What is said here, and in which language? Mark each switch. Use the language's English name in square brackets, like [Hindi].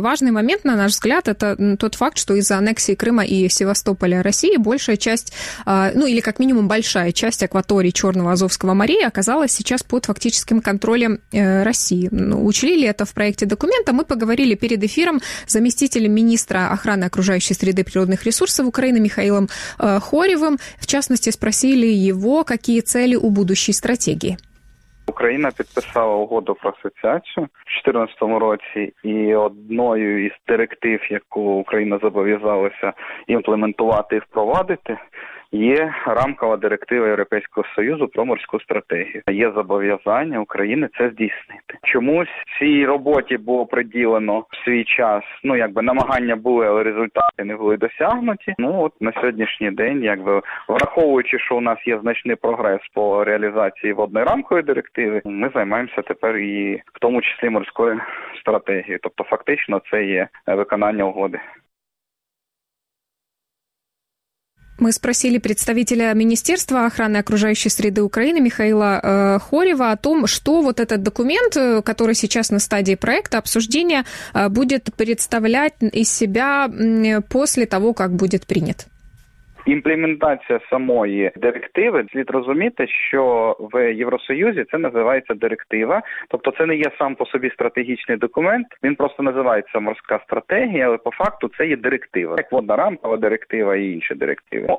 [Russian] Важный момент, на наш взгляд, это тот факт, что из-за аннексии Крыма и Севастополя России большая часть, ну или как минимум большая часть акватории Черного Азовского моря оказалась сейчас под фактическим контролем. России. Учли ли это в проекте документа? Мы поговорили перед эфиром с заместителем министра охраны окружающей среды и природных ресурсов Украины Михаилом Хорєвим. В частности, спросили его, какие цели у будущей стратегии. [Ukrainian] Україна підписала угоду про асоціацію в 2014 році, і одною із директив, яку Україна зобов'язалася імплементувати і впровадити, є рамкова директива Європейського Союзу про морську стратегію. Є зобов'язання України це здійснити. Чомусь цій роботі було приділено свій час, ну, якби намагання були, але результати не були досягнуті. Ну, от на сьогоднішній день, якби враховуючи, що у нас є значний прогрес по реалізації водної рамкової директиви, ми займаємося тепер і в тому числі морською стратегією. Тобто, фактично, це є виконання угоди. [Russian] Мы спросили представителя Министерства охраны окружающей среды Украины Михаила Хорєва о том, что вот этот документ, который сейчас на стадии проекта обсуждения, будет представлять из себя после того, как будет принят. [Ukrainian] Імплементація самої директиви, слід розуміти, що в Євросоюзі це називається директива, тобто це не є сам по собі стратегічний документ, він просто називається морська стратегія, але по факту це є директива, як водна рамкова директива і інші директиви.